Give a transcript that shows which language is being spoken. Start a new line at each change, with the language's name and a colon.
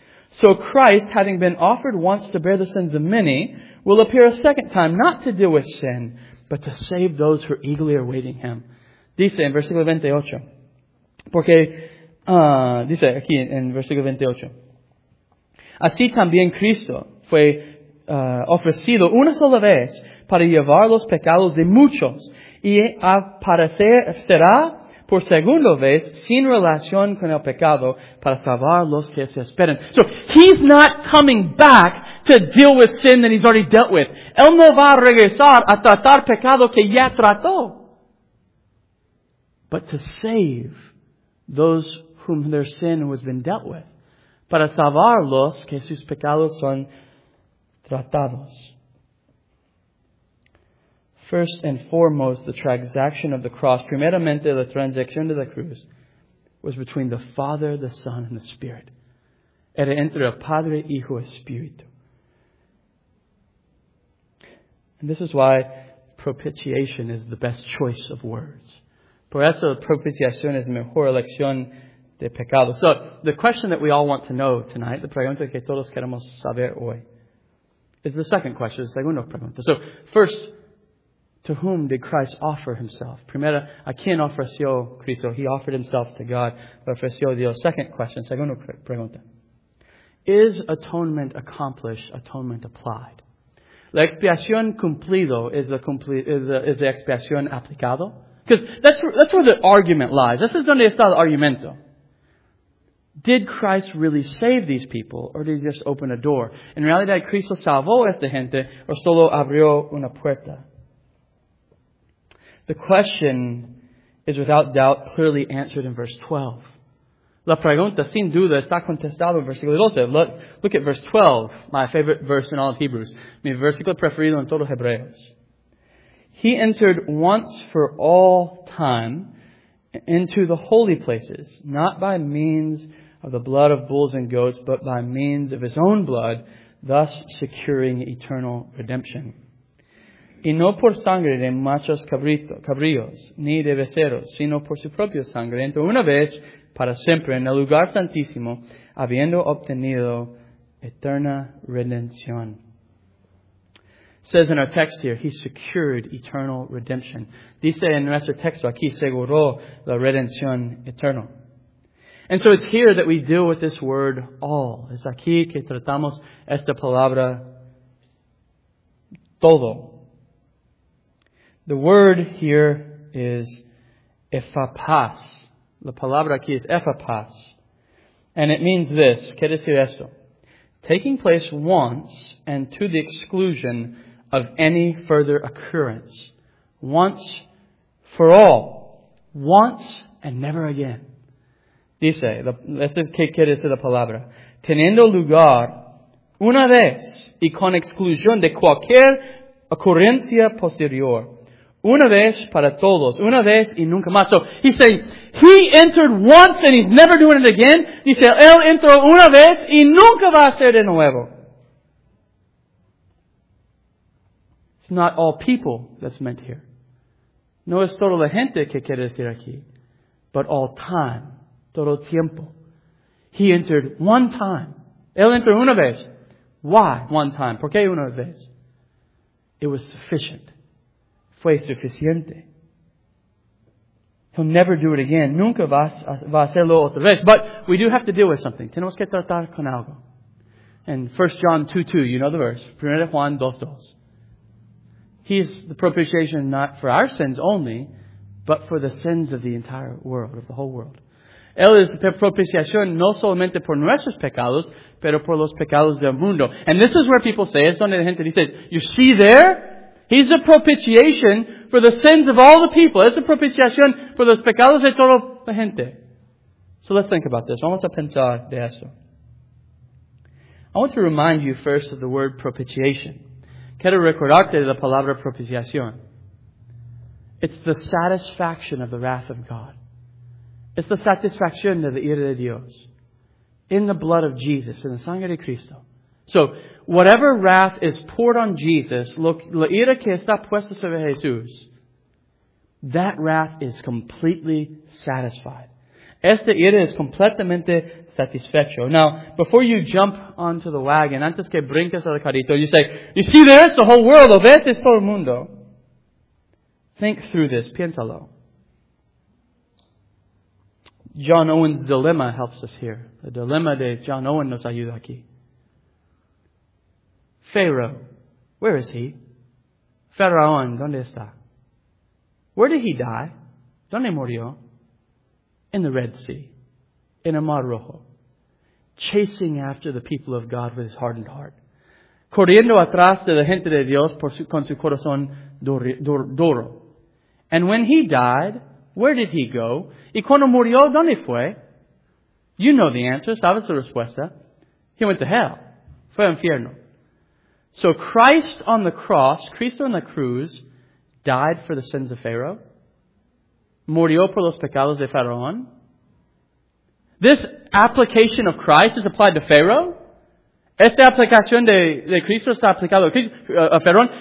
English: So Christ, having been offered once to bear the sins of many, will appear a second time, not to deal with sin, but to save those who are eagerly awaiting him.
Spanish: Dice en versículo 28. Porque, dice aquí en versículo 28. Así también Cristo fue ofrecido una sola vez para llevar los pecados de muchos, y aparecerá por segunda vez, sin relación con el pecado, para salvar los que se esperan.
English: So, he's not coming back to deal with sin that he's already dealt with.
Spanish: Él no va a regresar a tratar pecado que ya trató.
English: But to save those whom their sin has been dealt with.
Spanish: Para salvar los que sus pecados son tratados.
English: First and foremost, the transaction of the cross,
Spanish: primeramente la transacción de la cruz,
English: was between the Father, the Son, and the Spirit.
Spanish: Era entre el Padre, Hijo, Espíritu.
English: And this is why propitiation is the best choice of words.
Spanish: Por eso propiciación es mejor elección de pecado.
English: So, the question that we all want to know tonight,
Spanish: la pregunta que todos queremos saber hoy,
English: is the second question,
Spanish: la segunda pregunta.
English: So, first, to whom did Christ offer himself?
Spanish: Primera, ¿a quién ofreció Cristo?
English: He offered himself to God,
Spanish: ofreció Dios.
English: Second question,
Spanish: segunda pregunta.
English: Is atonement accomplished, atonement applied?
Spanish: La expiación cumplido es la expiación aplicado.
English: Because that's where the argument lies. This is
Spanish: donde está el argumento.
English: Did Christ really save these people, or did he just open a door?
Spanish: En realidad, Cristo salvó a esta gente, o solo abrió una puerta.
English: The question is without doubt clearly answered in verse 12.
Spanish: La pregunta sin duda está contestada en versículo 12.
English: Look at verse 12, my favorite verse in all of Hebrews.
Spanish: Mi versículo preferido en todo Hebreos.
English: He entered once for all time into the holy places, not by means of the blood of bulls and goats, but by means of his own blood, thus securing eternal redemption.
Spanish: Y no por sangre de machos cabríos, ni de becerros, sino por su propia sangre, entró una vez para siempre en el lugar santísimo, habiendo obtenido eterna redención.
English: Says in our text here, he secured eternal redemption.
Spanish: Dice en nuestro texto aquí, seguro la redención eterna.
English: And so it's here that we deal with this word all.
Spanish: Es aquí que tratamos esta palabra todo.
English: The word here is ephapas.
Spanish: La palabra aquí es ephapas.
English: And it means this.
Spanish: ¿Qué decir esto?
English: Taking place once and to the exclusion of any further occurrence. Once for all. Once and never again.
Spanish: Dice, ¿qué quiere decir la palabra? Teniendo lugar Una vez y con exclusión de cualquier ocurrencia posterior. Una vez para todos. Una vez y nunca más.
English: So, he's saying, he entered once and he's never doing it again.
Spanish: Dice, él entró una vez y nunca va a ser de nuevo.
English: It's not all people that's meant here.
Spanish: No es toda la gente que quiere decir aquí.
English: But all time.
Spanish: Todo tiempo.
English: He entered one time.
Spanish: Él entró una vez.
English: Why one time?
Spanish: ¿Por qué una vez?
English: It was sufficient.
Spanish: Fue suficiente. He'll never do it again. Nunca va a hacerlo otra vez.
English: But we do have to deal with something.
Spanish: Tenemos que tratar con algo.
English: And 1 John 2:2, you know the verse. 1 Juan 2:2. He is the propitiation not for our sins only, but for the sins of the entire world, of the whole world.
Spanish: Él es propiciación no solamente por nuestros pecados, pero por los pecados del mundo.
English: And this is where people say,
Spanish: es donde la gente dice,
English: you see there? He's a propitiation for the sins of all the people.
Spanish: Es propiciación por los pecados de toda la gente.
English: So let's think about this.
Spanish: Vamos a pensar de eso.
English: I want to remind you first of the word propitiation.
Spanish: Quiero recordarte de la palabra propiciación.
English: It's the satisfaction of the wrath of God.
Spanish: Es la satisfacción de la ira de Dios.
English: In the blood of Jesus, in the
Spanish: sangre de Cristo.
English: So, whatever wrath is poured on Jesus,
Spanish: la ira que está puesta sobre Jesús,
English: that wrath is completely satisfied.
Spanish: Esta ira es completamente satisfecho.
English: Now, before you jump onto the wagon,
Spanish: antes que brinques al carrito,
English: you say, you see, there's the whole world,
Spanish: lo ves, es todo el mundo.
English: Think through this,
Spanish: piénsalo.
English: John Owen's dilemma helps us here. The dilemma
Spanish: de John Owen nos ayuda aquí.
English: Pharaoh, where is he?
Spanish: Faraón, ¿dónde está?
English: Where did he die?
Spanish: ¿Dónde murió?
English: In the Red Sea. In
Spanish: el Mar Rojo.
English: Chasing after the people of God with his hardened heart.
Spanish: Corriendo atrás de la gente de Dios con su corazón duro.
English: And when he died, where did he go?
Spanish: ¿Y cuando murió, dónde fue?
English: You know the answer.
Spanish: ¿Sabes la respuesta?
English: He went to hell.
Spanish: Fue al infierno.
English: So Christ on the cross,
Spanish: Cristo en la cruz,
English: died for the sins of Pharaoh.
Spanish: Murió por los pecados de Faraón.
English: This application of Christ is applied to Pharaoh.
Spanish: Esta aplicación de Cristo está aplicado a Faraón.